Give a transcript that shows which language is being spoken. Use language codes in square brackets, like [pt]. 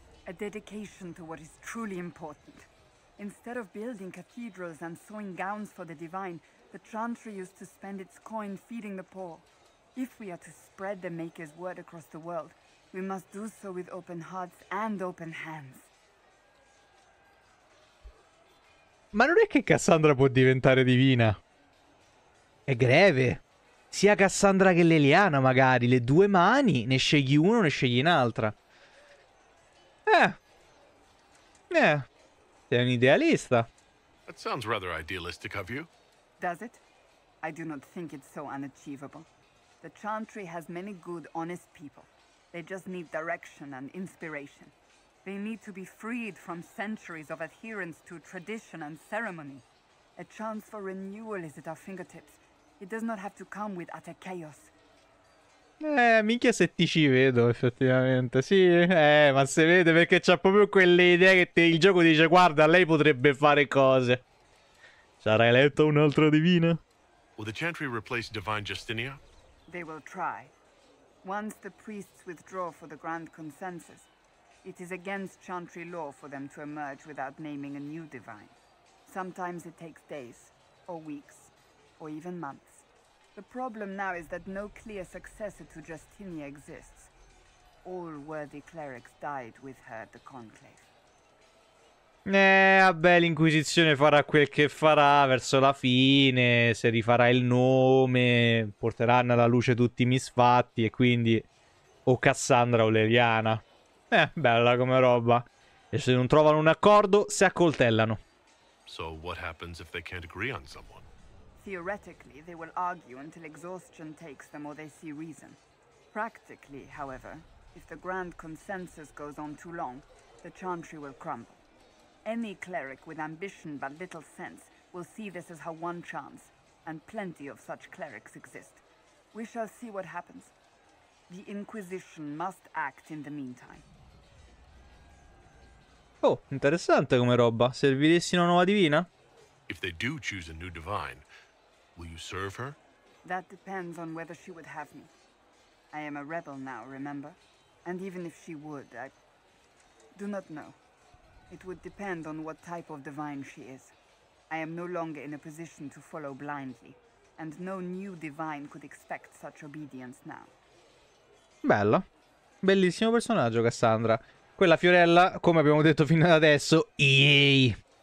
[en] A dedication to what is truly important. Instead of building cathedrals and sewing gowns for the divine, the Chantry used to spend its coin feeding the poor. If we are to spread the Maker's word across the world, we must do so with open hearts and open hands. [it] Ma non è che Cassandra può diventare divina? È greve. Sia Cassandra che Leliana, magari. Le due mani, ne scegli uno, ne scegli un'altra. Sei un idealista. [en] That sounds rather idealistic of you. Does it? I do not think it's so unachievable. The Chantry has many good, honest people. They just need direction and inspiration. They need to be freed from centuries of adherence to tradition and ceremony. A chance for renewal is at our fingertips. It does not have to come with utter chaos. [it] Minchia se ti ci vedo effettivamente. Sì, ma se vede, perché c'ha proprio quelle idee che il gioco dice: guarda, lei potrebbe fare cose. Sarai letto un'altra divina? [en] Will the Chantry replace Divine Justinia? They will try. Once the priests withdraw for the Grand Consensus, it is against Chantry law for them to emerge without naming a new divine. Sometimes it takes days, or weeks, or even months. The problem now is that no clear successor to Justinia exists. All worthy clerics died with her at the conclave. [it] Vabbè, l'Inquisizione farà quel che farà verso la fine, se rifarà il nome, porteranno alla luce tutti i misfatti e quindi o Cassandra o Leliana. Bella come roba. E se non trovano un accordo, si accoltellano. [en] So what happens if they can't agree on someone? Theoretically, they will argue until exhaustion takes them or they see reason. Practically, however, if the Grand Consensus goes on too long, the Chantry will crumble. Any cleric with ambition but little sense will see this as her one chance, and plenty of such clerics exist. We shall see what happens. The Inquisition must act in the meantime. [it] Oh, interessante come roba. Serviresti una nuova divina? [en] If they do choose a new divine, will you serve her? That depends on whether she would have me. I am a rebel now, remember? And even if she would, I do not know. It would depend on what type of divine she is. I am no longer in a position to follow blindly, and no new divine could expect such obedience now. [it] Bello. Bellissimo personaggio, Cassandra. Quella Fiorella, come abbiamo detto fino ad adesso, yay!